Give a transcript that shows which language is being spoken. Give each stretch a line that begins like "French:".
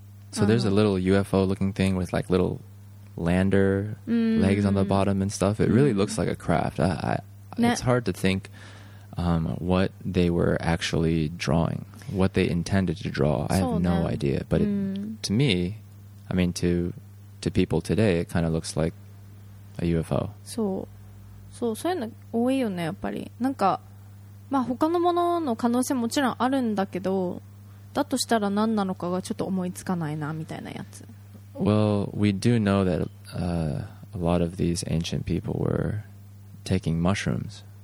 English: So there's a little UFO looking thing with like little lander legs on the bottom and stuff. It really looks like a craft. It's hard to think what they were actually drawing, what they intended to draw. I have no idea. But it, to me, I mean, to people today, it kind of looks like a UFO.
Japanese: そう、そう、そういうの多いよね、やっぱり。なんか、まあ他のものの可能性もちろんあるんだけど、だとしたら何なのかがちょっと思いつかないな、みたいなやつ。
English: Well, we do know that a lot of these ancient people were taking mushrooms.